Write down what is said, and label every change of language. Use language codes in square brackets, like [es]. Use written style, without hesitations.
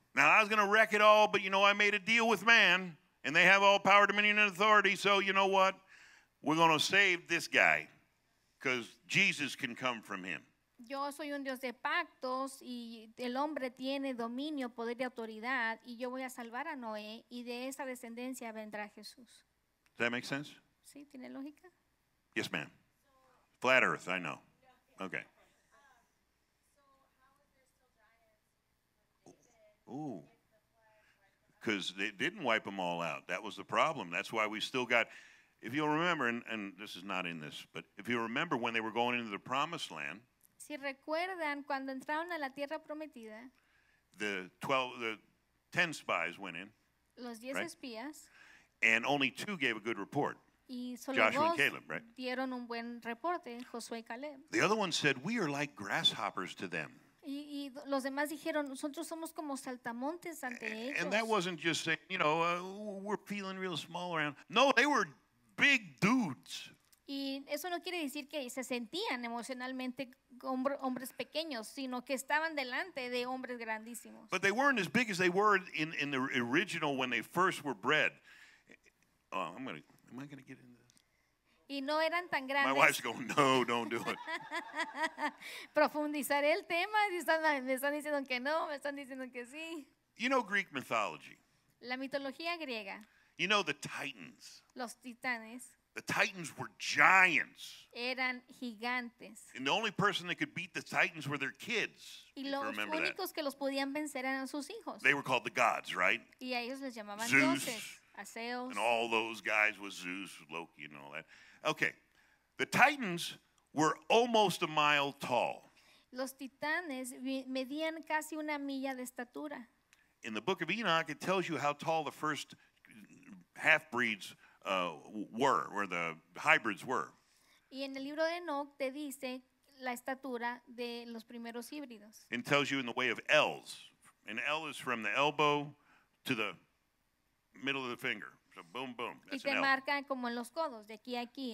[en] Now I was going to wreck it all, but you know, I made a deal with man, and they have all power, dominion, and authority, so you know what? We're going to save this guy, because Jesus can come from him. [es] Yo soy un Dios de pactos y el hombre tiene dominio, poder y autoridad y yo voy a salvar a Noé y de esa descendencia vendrá Jesús. [en] Does that make sense? [es] Sí, tiene lógica. [en] Yes, ma'am. Flat Earth, I know. Okay. Ooh. Because they didn't wipe them all out. That was the problem. That's why we still got, if you'll remember, and this is not in this, but if you remember when they were going into the promised land, [es] si recuerdan, cuando entraron a la tierra prometida, [en] the ten spies went in, [es] los diez right? espías, [en] and only two gave a good report, [es] y solo Joshua and Caleb, right? Dieron un buen reporte, Josué y Caleb. [en] The other one said, we are like grasshoppers to them. [es] Y los demás dijeron, nosotros somos como saltamontes ante ellos. [en] And that wasn't just saying, you know, we're feeling real small around. No, they were big dudes. [es] Y eso no quiere decir que se sentían emocionalmente hombres pequeños, sino que estaban delante de hombres grandísimos. [en] But they weren't as big as they were in the original when they first were bred. Oh, am I going to get into this? [es] Y no eran tan grandes. [en] My wife's going, no, don't do it. [es] Profundizar el tema. Me están diciendo que no, me están diciendo que sí. [en] You know Greek mythology. [es] La mitología griega. [en] You know the Titans. [es] Los titanes. [en] The Titans were giants. [es] Eran gigantes. [en] And the only person that could beat the Titans were their kids. [es] Y los únicos que los podían vencer eran sus hijos. [en] They were called the gods, right? [es] Y a ellos les llamaban Zeus. Dioses. Aseos. [en] And all those guys with Zeus, Loki, and all that. Okay, the Titans were almost a mile tall. [es] Los titanes medían casi una milla de estatura. [en] In the book of Enoch, it tells you how tall the first half-breeds were, or the hybrids were. [es] Y en el libro de Enoch te dice la estatura de los primeros híbridos. [en] It tells you in the way of L's. An L is from the elbow to the middle of the finger. So boom, boom. [es] Y te marca como en los codos, de aquí a aquí.